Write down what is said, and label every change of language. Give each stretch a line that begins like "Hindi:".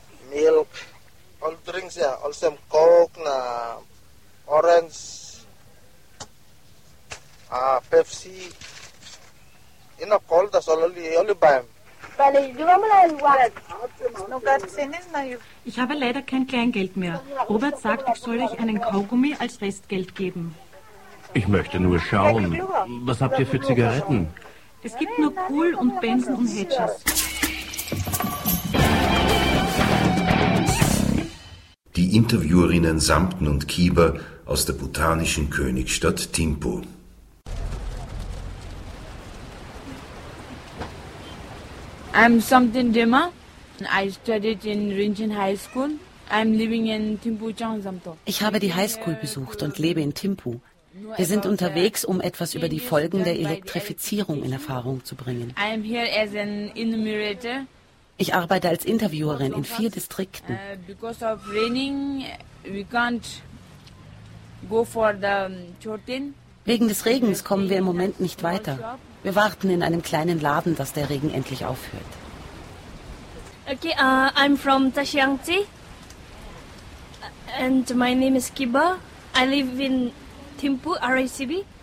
English: Milk, all drinks, yeah, all same Coke, orange, Pepsi, you know, cold, that's all only buy them.
German: Ich habe leider kein Kleingeld mehr. Robert sagt, ich soll euch einen Kaugummi als Restgeld geben. Ich möchte nur schauen. Was habt ihr für Zigaretten? Es gibt nur Kohl und Benson und Hedges. Die Interviewerinnen Samten und Kieber aus der bhutanischen Königstadt Thimphu.
English: I'm Samten Dema. I studied in Rinchen High School. I'm living in Thimphu Changsamto.
German: Ich habe die Highschool besucht und lebe in Thimphu. Wir sind unterwegs, um etwas über die Folgen der Elektrifizierung in Erfahrung zu bringen.
English: I'm here as an enumerator.
German: Ich arbeite als Interviewerin in 4 Distrikten.
English: Because of raining, we can't go for the Chortin.
German: Wegen des Regens kommen wir im Moment nicht weiter. Wir warten in einem kleinen Laden, dass der Regen endlich aufhört.
English: Okay, I'm from Taxiangzi. And my name is Kiba. I live in Thimphu, RACB.